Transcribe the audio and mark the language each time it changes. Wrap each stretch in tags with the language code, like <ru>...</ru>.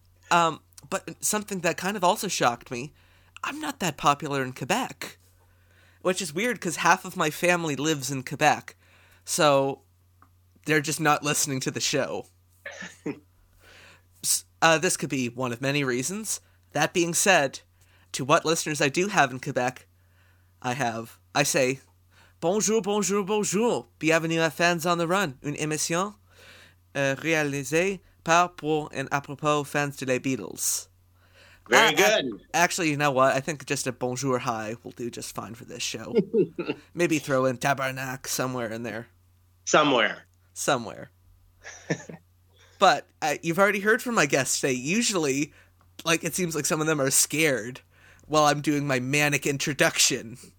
<en>But something that kind of also shocked me, I'm not that popular in Quebec. Which is weird, because half of my family lives in Quebec. So they're just not listening to the show. This could be one of many reasons. That being said, to what listeners I do have in Quebec, I say,</en> <fr>bonjour, bonjour, bonjour, bienvenue à Fans on the Run, une émission réalisée par, pour, and à propos fans de les Beatles.</fr> <en>Very good. Actually, you know what? I think just a bonjour hi will do just fine for this show. Maybe throw in tabarnak somewhere in there. Somewhere. But you've already heard from my guests today. Usually, like, it seems like some of them are scared while I'm doing my manic introduction.</en>